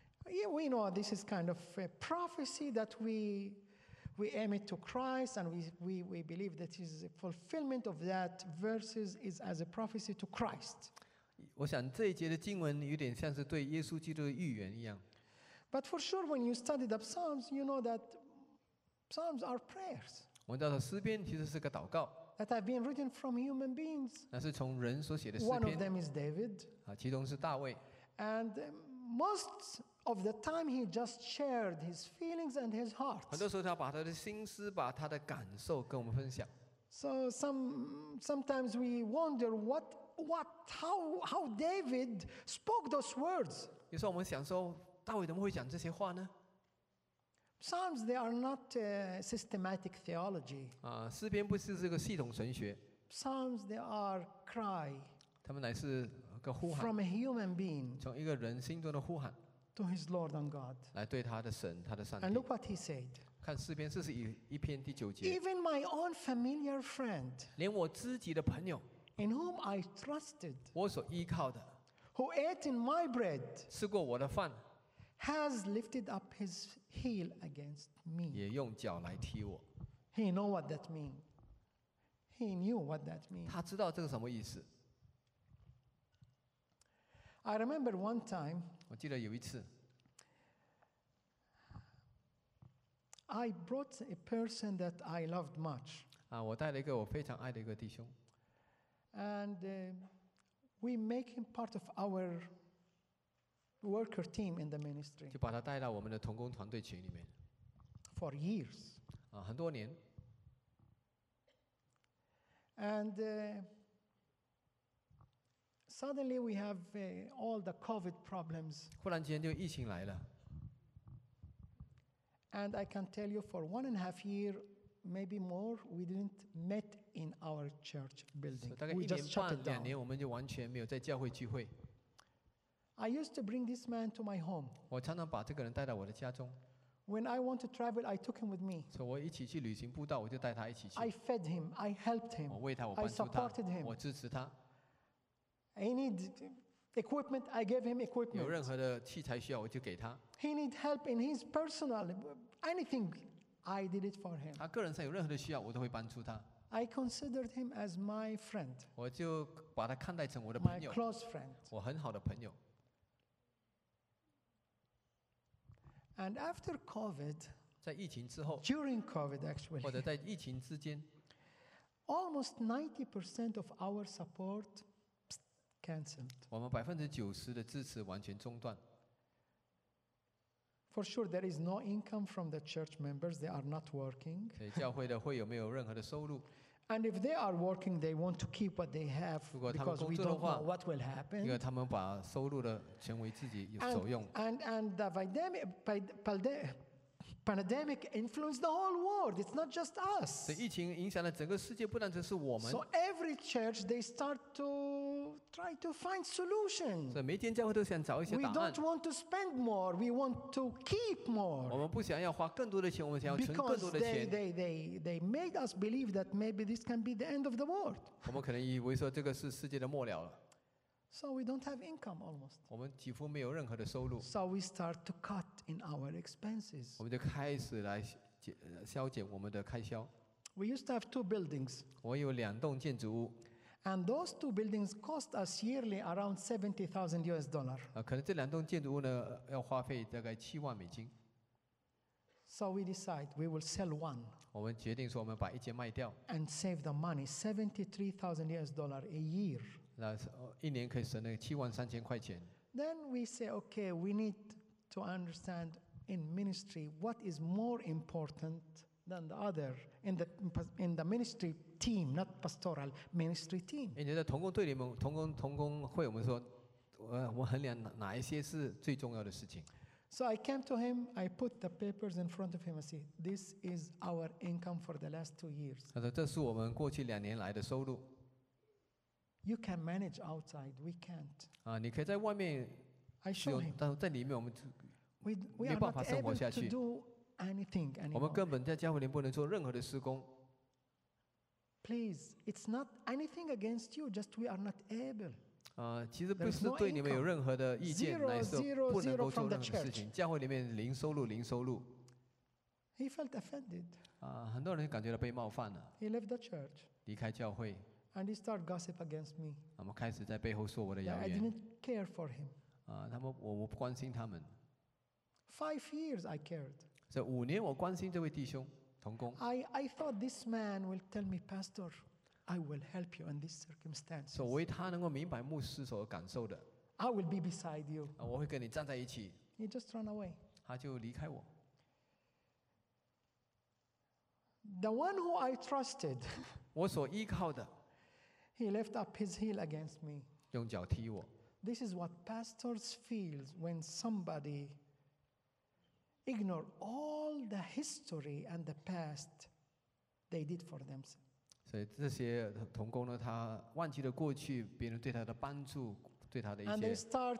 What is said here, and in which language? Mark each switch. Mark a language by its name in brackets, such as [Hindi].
[English] Yeah, we know this is kind of a prophecy that we aim it to Christ and we believe that is a fulfillment of that verses is as a prophecy to Christ. [Chinese] 我想这一节的经文有点像是对耶稣基督的预言一样。 [English] But for sure, when you study the Psalms, you know that Psalms are prayers. [Chinese] 我们知道诗篇其实是个祷告。 [English] That have been written from human beings. [Chinese] 那是从人所写的诗篇。 [English] One of them is David. [Chinese] 其中是大卫。 [English] And most of the time, he just shared his feelings and his heart. [Chinese] 很多时候，他把他的心思、把他的感受跟我们分享。 [English] So sometimes we wonder how David spoke those words. [Chinese] 有时候我们想说，大卫怎么会讲这些话呢？ [English] Psalms, they are not systematic theology. [Chinese] 诗篇不是这个系统神学。 [English] Psalms, they are cry. [Chinese] 他们乃是个呼喊。 [English] From a human being. [Chinese] 从一个人心中的呼喊。 [English] To his Lord and God. [Chinese] 来对他的神，他的上帝。 [English] And look what he said. [Chinese] 看诗篇41篇第九节。 [English] Even my own familiar friend. [Chinese] 连我自己的朋友。 [English] In whom I trusted. [Chinese] 我所依靠的。 [English] Who ate in my bread. [Chinese] 吃过我的饭。 [English] Has lifted up his heel against me. [Chinese] 也用脚来踢我。 [English] He knew what that means. He knew what that means. [Chinese] 他知道这个什么意思。 [English] I remember one time. [Chinese] 我记得有一次。 [English] I brought a person that I loved much. [Chinese] 我带了一个我非常爱的一个弟兄。 [English] And we make him part of our worker team in the ministry. [Chinese] 就把他带到我们的同工团队群里面。 [English] For years. [Chinese] 啊，很多年。 [English] And suddenly we have all the COVID problems. [Chinese] 忽然间就疫情来了。 [English] And I can tell you, for 1.5 years, maybe more, we didn't meet in our church building. [Chinese] 大概一年半、两年，我们就完全没有在教会聚会。 [English] I used to bring this man to my home. [Chinese] 我常常把这个人带到我的家中。 [English] When I want to travel, I took him with me. [Chinese] 所以我一起去旅行步道，我就带他一起去。 [English] I fed him, I helped him. [Chinese] 我喂他，我帮助他。 [English] I supported him. [Chinese] 我支持他。 [English] He needed equipment, I gave him equipment. [Chinese] 有任何的器材需要，我就给他。 [English] He needed help in his personal, anything, I did it for him. [Chinese] 他个人上有任何的需要，我都会帮助他。 [English] I considered him as my friend. [Chinese] 我就把他看待成我的朋友。 [English] My close friend. [Chinese] 我很好的朋友。 [English] And after COVID, [Chinese] 在疫情之后, [English] during COVID actually, [Chinese] 或者在疫情之间, [English] almost 90% of our support canceled. [Chinese] 我们90%的支持完全中断。 [English] For sure, there is no income from the church members. They are not working. [Chinese] 教会的会有没有任何的收入? [English] And if they are working, they want to keep what they have because we don't know what will happen. [Chinese] 因为他们把收入的全为自己所用。 [English] And the pandemic influenced the whole world. It's not just us. [Chinese] 疫情影响了整个世界，不单只是我们。 [English] So every church they start to try to find solutions. [Chinese] 所以每间教会都想找一些答案。 [English] We don't want to spend more. We want to keep more. [Chinese] 我们不想要花更多的钱，我们想要存更多的钱。 [English] Because they made us believe that maybe this can be the end of the world. [Chinese] 我们可能以为说这个是世界的末了了。 [English] So we don't have income almost. [Chinese] 我们几乎没有任何的收入。 [English] So we start to cut in our expenses. [Chinese] 我们就开始来削减我们的开销。 [English] We used to have two buildings. [Chinese] 我有两栋建筑物。 [English] And those two buildings cost us yearly around $70,000. [Chinese] 可能这两栋建筑物呢，要花费大概$70,000。 [English] So we decide we will sell one. [Chinese] 我们决定说我们把一间卖掉。 [English] And save the money, $73,000 a year. [Chinese] 那一年可以省那个$73,000。 [English] Then we say, okay, we need to understand in ministry what is more important than the other in the ministry team, not pastoral ministry team. [Chinese] 因为在同工队里面，同工会，我们说，我衡量哪一些是最重要的事情。 [English] So I came to him, I put the papers in front of him, I said, this is our income for the last 2 years. [Chinese] 他说，这是我们过去两年来的收入。 [English] You can manage outside. We can't. [Chinese] 啊，你可以在外面。 [English] I show him. [Chinese] 但在里面我们就没办法生活下去。 [English] We are not able to do anything anymore. [Chinese] 我们根本在教会里不能做任何的事工。 [English] Please, it's not anything against you. Just we are not able. [Chinese] 啊，其实不是对你们有任何的意见，乃是不能够做任何事情。教会里面零收入，零收入。 [English] He felt offended. [Chinese] 啊，很多人感觉到被冒犯了。 [English] He left the church. [Chinese] 离开教会。 [English] And he started gossip against me. [Chinese] 他们开始在背后说我的谣言。 [English] I didn't care for him. [Chinese] 他们我不关心他们。 [English] 5 years I cared. [Chinese] 所以五年我关心这位弟兄同工。 [English] I thought this man will tell me, Pastor, I will help you in this circumstance. [Chinese] 所以为他能够明白牧师所感受的。 [English] I will be beside you. [Chinese] 我会跟你站在一起。 [English] He just ran away. [Chinese] 他就离开我。 [English] The one who I trusted. [Chinese] 我所依靠的。 [English] He lifted up his heel against me. [Chinese] 用脚踢我。 [English] This is what pastors feel when somebody ignore all the history and the past they did for themselves. [Chinese] 所以这些同工呢，他忘记了过去别人对他的帮助，对他的一些支持。